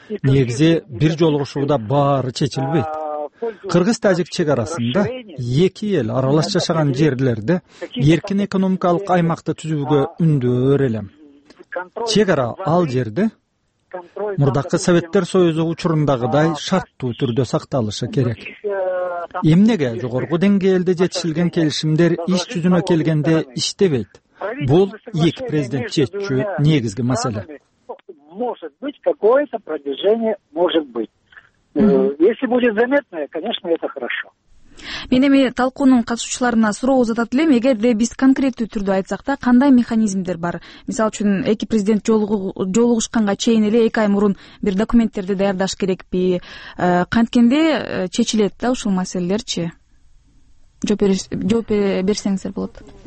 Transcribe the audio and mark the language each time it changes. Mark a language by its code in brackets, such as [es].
[ky] Негизи бир жолугушууда баары чечилбейт. Кыргыз-тажик чек арасында эки эл аралаш жашаган жерлерде эркин экономикалык аймакты түзүүгө үндөөр элем. Чек ара ал жерде мурдакы Советтер Союзу учурундагыдай шарттуу түрдө сакталышы керек. Эмнеге жогорку деңгээлде жетишилген келишимдер иш жүзүнө келгенде иштебейт? Бул эки президент чечүү негизги маселе. [ru] Может быть, какое-то продвижение может быть. Если будет заметное, конечно, это хорошо. [ky] Мен эми талкуунун катышуучуларына суроо узатат элем, эгерде биз конкреттүү түрдө айтсак да, кандай механизмдер бар? Мисалы үчүн, эки президент жолугушканга чейин эле эки ай мурун бир документтерди даярдаш керекпи? Канткенде чечилет да ушул маселелерчи? Жооп берсеңиздер болот.